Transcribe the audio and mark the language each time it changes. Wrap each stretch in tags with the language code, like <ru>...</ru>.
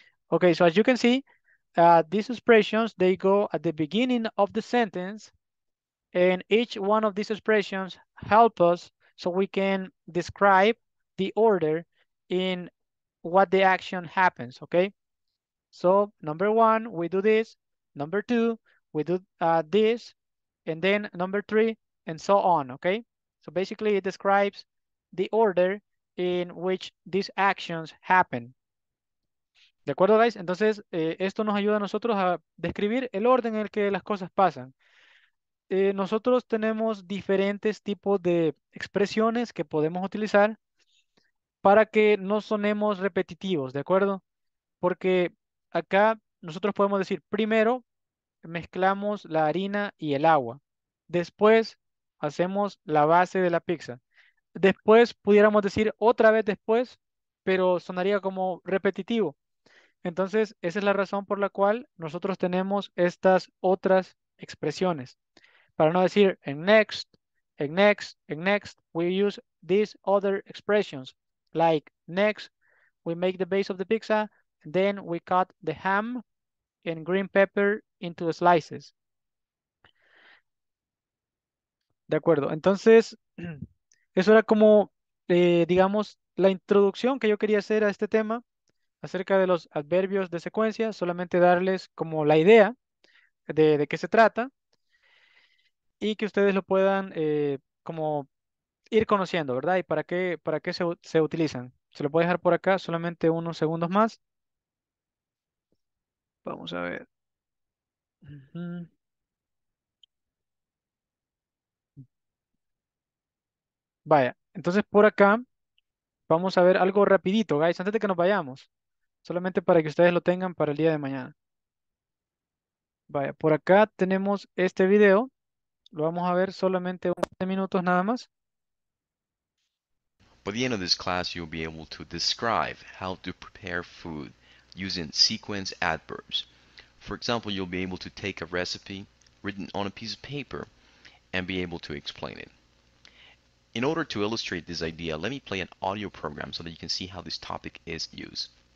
<en>Okay, so as you can see, these expressions, they go at the beginning of the sentence, and each one of these expressions help us so we can describe the order in what the action happens, okay? So number one, we do this. Number two, we do this. And then number three, and so on, okay? So basically it describes the order in which these actions happen.</en> <es>¿De acuerdo, guys? Entonces, esto nos ayuda a nosotros a describir el orden en el que las cosas pasan. Nosotros tenemos diferentes tipos de expresiones que podemos utilizar para que no sonemos repetitivos, ¿de acuerdo? Porque acá nosotros podemos decir, primero mezclamos la harina y el agua. Después hacemos la base de la pizza. Después pudiéramos decir otra vez después, pero sonaría como repetitivo. Entonces, esa es la razón por la cual nosotros tenemos estas otras expresiones. Para no decir</es> <en>en next, en next, en next, we use these other expressions. Like next, we make the base of the pizza, then we cut the ham and green pepper into slices.</en> <es>De acuerdo. Entonces, eso era como, digamos, la introducción que yo quería hacer a este tema acerca de los adverbios de secuencia, solamente darles como la idea de qué se trata y que ustedes lo puedan como ir conociendo, ¿verdad? Y para qué se utilizan. Se lo puedo dejar por acá solamente unos segundos más. Vamos a ver. Vaya, entonces por acá vamos a ver algo rapidito, guys, antes de que nos vayamos. Solamente para que ustedes lo tengan para el día de mañana. Vaya, por acá tenemos este video. Lo vamos a ver solamente un par de minutos nada más.</es> <en>By the end of this class, you'll be able to describe how to prepare food using sequence adverbs. For example, you'll be able to take a recipe written on a piece of paper and be able to explain it. In order to illustrate this idea, let me play an audio program so that you can see how this topic is used.</en>